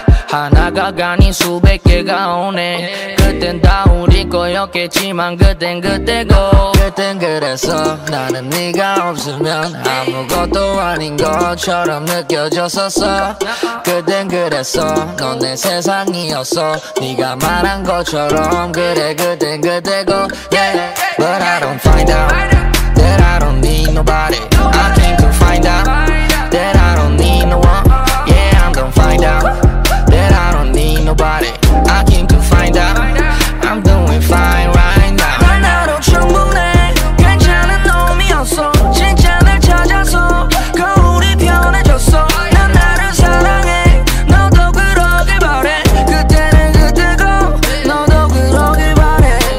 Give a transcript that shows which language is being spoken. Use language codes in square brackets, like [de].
[ko] 하나가 가니 수백 개가 오네 그땐 다 우리 거였겠지만 그땐 그때고 그땐 그랬어 나는 네가 없으면 아무것도 아닌 것처럼 느껴졌었어 그땐 그랬어 넌 내 세상이었어 네가 말한 것처럼 그래 그땐 그때고 yeah. [en] But I don't find out that I don't need nobody I came to find out that I don't need no one yeah I'm gonna find out Nobody. I came to find out I'm doing fine right now [ko] 하나도 충분해 괜찮은 놈이었어 진짜를 찾아서 거울이 변해졌어 난 나를 사랑해 너도 그러길 바래 그때는 그때고 너도 그러길 바래